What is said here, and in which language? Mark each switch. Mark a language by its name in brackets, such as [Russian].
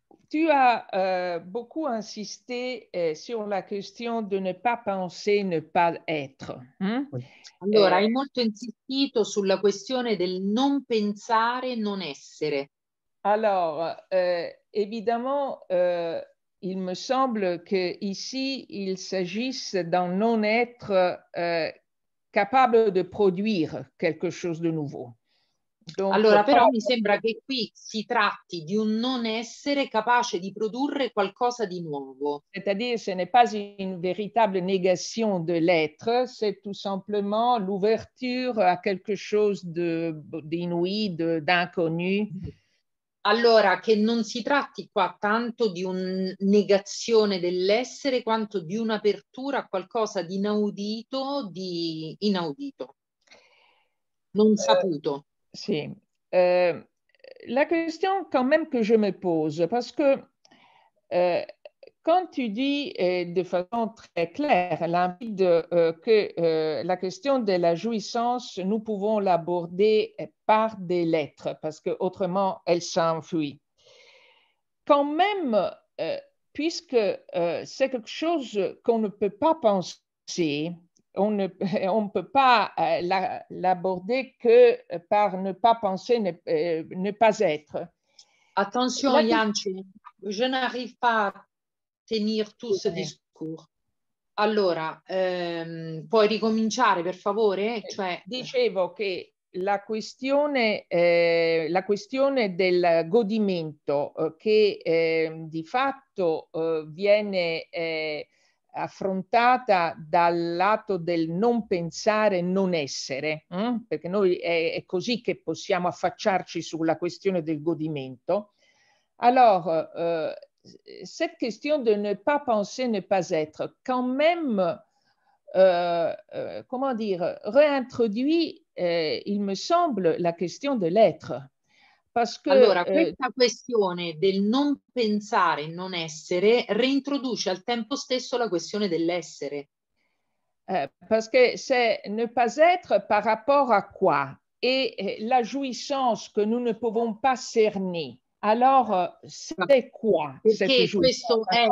[French] Tu as beaucoup insisté sur la question de ne pas penser, ne pas être. Hein? Oui. [Italian] Allora, hai molto insistito sulla questione del non pensare, non essere. [French] Alors, évidemment, il me semble qu'ici, il s'agisse d'un non-être capable de produire quelque chose de nouveau. [Italian] Donc, allora, però mi sembra che qui si tratti di un non essere capace di produrre qualcosa di nuovo. [French] C'est-à-dire, ce n'est pas une véritable négation de l'être, c'est tout simplement l'ouverture à quelque chose d'inouï, d'inconnu. [Italian] Allora, che non si tratti qua tanto di una negazione dell'essere quanto di un'apertura a qualcosa di inaudito, di inaudito, non saputo. Si. [French] La question quand même que je me pose, parce que quand tu dis de façon très claire, limpide, la question de la jouissance, nous pouvons l'aborder par des lettres, parce qu'autrement, elle s'enfuit. Quand même, puisque c'est quelque chose qu'on ne peut pas penser, on ne peut pas l'aborder que par ne pas penser, ne pas être. Attention, Yanchi, je n'arrive pas à tenir tout ce discours. [Italian] Allora, puoi ricominciare, per favore? Cioè... Dicevo che la questione del godimento che di fatto viene... affrontata dal lato del non pensare, non essere, perché noi è così che possiamo affacciarci sulla questione del godimento. [French] Allora, cette question de ne pas penser, ne pas être, quand même, comment dire, réintroduit, il me semble, la question de l'être. Parce que, [Italian] allora, questa questione del non pensare, non essere, reintroduce al tempo stesso la questione dell'essere. [French] Parce que c'est ne pas être par rapport à quoi? Et la jouissance que nous ne pouvons pas cerner. Alors, c'est quoi cette jouissance?